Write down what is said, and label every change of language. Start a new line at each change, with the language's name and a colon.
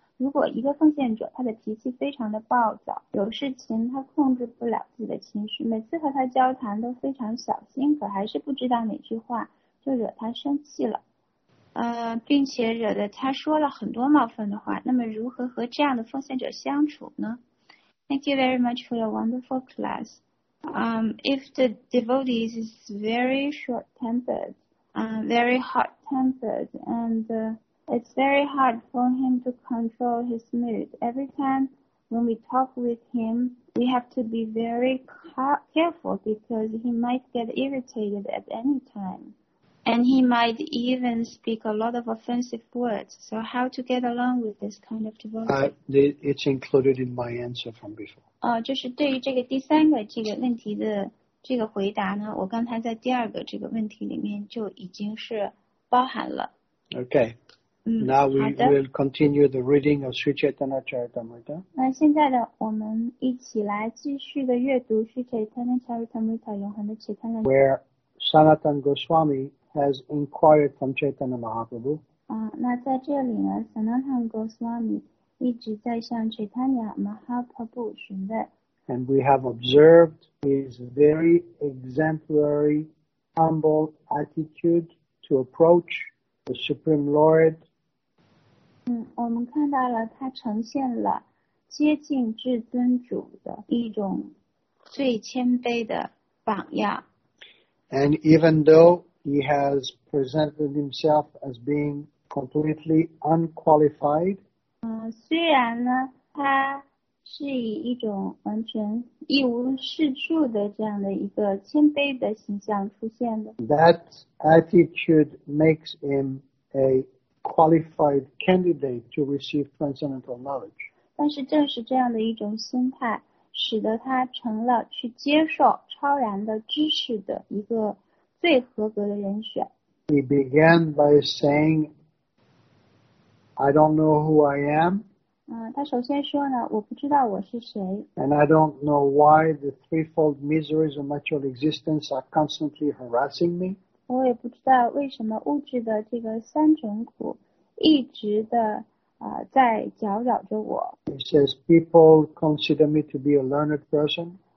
Chinese: 如果一个奉献者他的脾气非常的暴躁，有事情他控制不了自己的情绪，每次和他交谈都非常小心，可还是不知道哪句话就惹他生气了。并且惹得他说了很多冒犯的话，那么如何和这样的奉献者相处呢？
English: Thank you very much for your wonderful class. If the devotee is very short-tempered, very hot-tempered, and it's very hard for him to control his mood. Every time when we talk with him, we have to be very careful because he might get irritated at any time. And he might even speak a lot of offensive words. So how to get along with this kind of devotee? It's included in my answer from before.
Chinese: 就是对于这个第三个这个问题的这个回答呢，我刚才在第二个这个问题里面就已经是包含了。
English: Okay. Now we will continue the reading of Sri Chaitanya Charitamrita.
Chinese: 那现在呢，我们一起来继续的阅读 Sri Chaitanya Charitamrita 永恒的 Chaitanya.
English: Where Sanatan Goswami has inquired from Chaitanya Mahaprabhu.
Chinese: 那在这里呢 ，Sanatan Goswami 一直在向 Chaitanya Mahaprabhu 询问。
English: And we have observed his very exemplary, humble attitude to approach the Supreme Lord.
Chinese: 我们看到了他呈现了接近至尊主的一种最谦卑的榜样。
English: And even though he has presented himself as being completely unqualified,
Chinese: 虽然呢他是以一种完全一无是处的这样的一个谦卑的形象出现的。
English: That attitude makes him a qualified candidate to receive transcendental knowledge.
Chinese: 但是正是这样的一种心态使得他成了去接受超然的知识的一个最合格的人选。
English: He began by saying, I don't know who I am.
Chinese: 他首先说呢，我不知道我是谁。
English: And I don't know why the threefold miseries of material existence are constantly harassing me.
Chinese: 我也不知道为什么物质的这个三种苦一直的在搅扰着我。
English: He says people consider me to be a learned person.